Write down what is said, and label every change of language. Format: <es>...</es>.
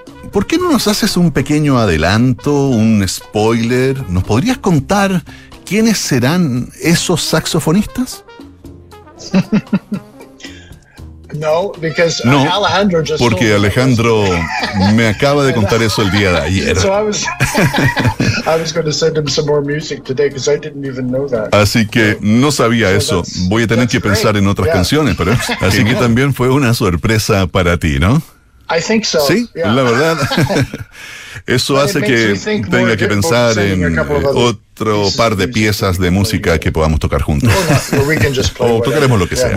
<es>¿Por qué no nos haces un pequeño adelanto, un spoiler? ¿Nos podrías contar quiénes serán esos saxofonistas?</es> <en>No, Alejandro just</en> <es>porque Alejandro me acaba de contar eso el día de ayer.</es> <en>I was going to send him some more music today because I didn't even know that.</en> <es>Así que no sabía eso. Voy a tener que pensar en otras canciones, pero así que también fue una sorpresa para ti, ¿no?</es> <en>I think so.</en> <es>Sí, yeah. La verdad. Eso hace que tenga que pensar en otro par de piezas de música que podamos tocar juntos. O tocaremos lo que sea.</es>